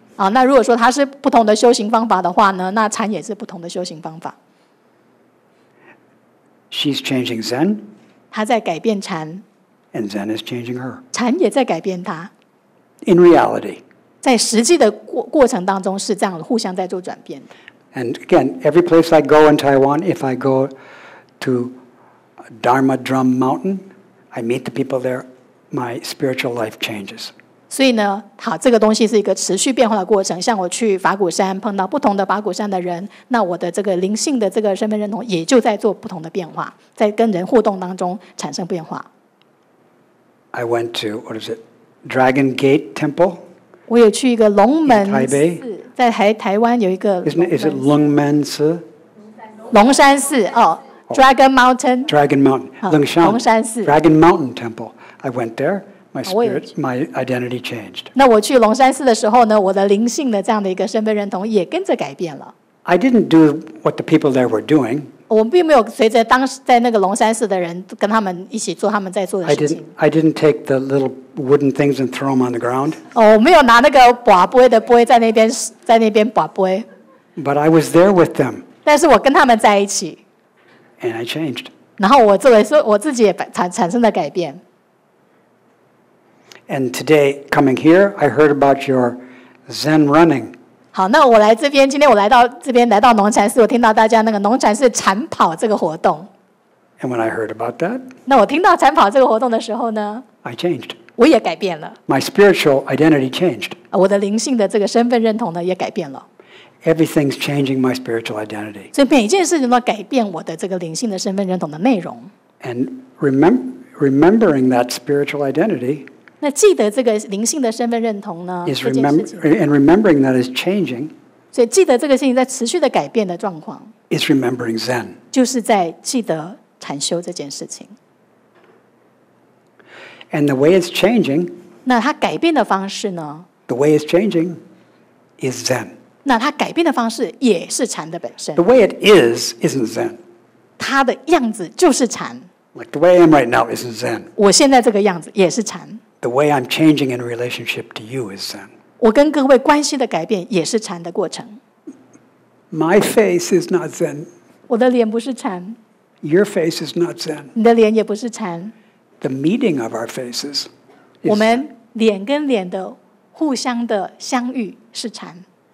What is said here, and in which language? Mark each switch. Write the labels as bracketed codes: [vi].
[zh] 好，那如果说她是不同的修行方法的话呢，那禅也是不同的修行方法。 [en] She's changing Zen. [zh] 她在改变禅。 [en] And Zen is changing her. [zh] 禅也在改变她。 [en] In reality, [zh] 在实际的过程当中是这样，互相在做转变。 [en] And again, every place I go in Taiwan, if I go to Dharma Drum Mountain, I meet the people there. My spiritual life changes. [zh] 所以呢，好，这个东西是一个持续变化的过程。像我去法鼓山碰到不同的法鼓山的人，那我的这个灵性的这个身份认同也就在做不同的变化，在跟人互动当中产生变化。 [en] I went to what is it? Dragon Gate Temple. [zh] 我有去一个龙门寺，在台湾有一个。 [en] Is it Long Man Si? [zh] 龙山寺哦、oh, ，Dragon Mountain. [en] Dragon Mountain. 龙山。 [zh] 龙山寺。 [en] Dragon Mountain Temple. I went there. My identity changed. [zh] 那我去龙山寺的时候呢，我的灵性的这样的一个身份认同也跟着改变了。 [en] I didn't do what the people there were doing. [zh] 我并没有随着当时在那个龙山寺的人跟他们一起做他们在做的事情。 [en] I didn't take the little. Wooden things and throw them on the ground. [zh] Oh, 没有拿那个把杯的杯在那边把杯。 [en] But I was there with them. [zh] 但是我跟他们在一起。 [en] And I changed. [zh] 然后我作为说我自己也产生了改变。 [en] And today coming here, I heard about your Zen running. [zh] 好，那我来这边，今天我来到这边，来到农禅寺，我听到大家那个农禅寺禅跑这个活动。 [en] And when I heard about that, [zh] 那我听到禅跑这个活动的时候呢 [en] ，I changed. [zh] 我也改变了。 [en] My spiritual identity changed. [zh] 我的灵性的这个身份认同呢也改变了。 [en] Everything's changing my spiritual identity. [zh] 所以每一件事情都改变我的这个灵性的身份认同的内容。 [en] And remembering that spiritual identity. [zh] 那记得这个灵性的身份认同呢 [en] ？Is remember and remembering that is changing. [zh] 所以记得这个事情在持续的改变的状况。 [en] Is remembering Zen. [zh] 就是在记得禅修这件事情。 [en] And the way it's changing, [zh] 那它改变的方式呢 [en] ？The way it's changing is Zen. [zh] 那它改变的方式也是禅的本身。 [en] The way it is isn't Zen. [zh] 它的样子就是禅。 [en] Like the way I am right now isn't Zen. [zh] 我现在这个样子也是禅。 [en] The way I'm changing in relationship to you is Zen. [zh] 我跟各位关系的改变也是禅的过程。 [en] My face is not Zen. [zh] 我的脸不是禅。 [en] Your face is not Zen. [zh] 你的脸也不是禅。 [en] The meeting of our faces. [zh] 我们脸跟脸的互相的相遇是禅。